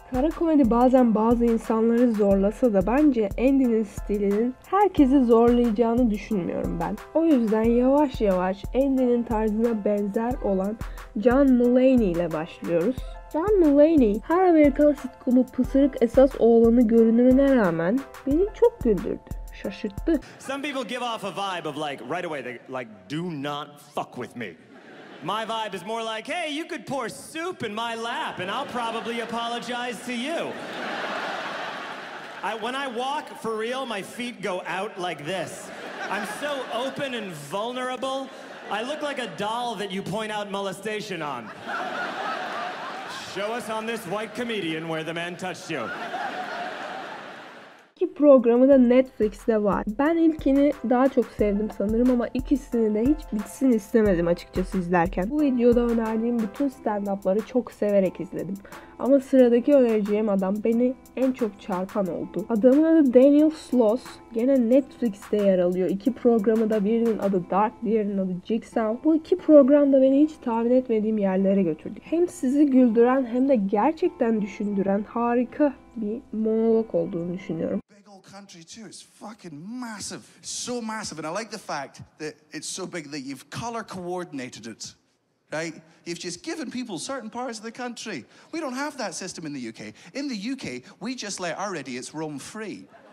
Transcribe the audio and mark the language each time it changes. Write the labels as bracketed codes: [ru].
[tr] Kara komedi bazen bazı insanları zorlasa da bence Andy'nin stilinin herkesi zorlayacağını düşünmüyorum ben. O yüzden yavaş yavaş Andy'nin tarzına benzer olan John Mulaney ile başlıyoruz. John Mulaney, her Amerikan sitcomu pısırık esas oğlanı görünümüne rağmen beni çok güldürdü. Şaşırttı. [en] Some people give off a vibe of like right away they like do not fuck with me. My vibe is more like hey you could pour soup in my lap and I'll probably apologize to you. When I walk for real my feet go out like this. I'm so open and vulnerable. I look like a doll that you point out molestation on. Show us on this white comedian where the man touched you. [tr] İki programı da Netflix'te var. Ben ilkini daha çok sevdim sanırım ama ikisini de hiç bitsin istemedim açıkçası izlerken. Bu videoda önerdiğim bütün stand-up'ları çok severek izledim. Ama sıradaki önereceğim adam beni en çok çarpan oldu. Adamın adı Daniel Sloss. Gene Netflix'te yer alıyor. İki programı da birinin adı Dark, diğerinin adı Jigsaw. Bu iki program da beni hiç tahmin etmediğim yerlere götürdü. Hem sizi güldüren hem de gerçekten düşündüren harika bir monolog olduğunu düşünüyorum. [en] Big old country too. It's fucking massive. So massive. And I like the fact that it's so big that you've color coordinated it. Right? You've just given people certain parts of the country. We don't have that system in the UK. In the UK, we just let our idiots roam free.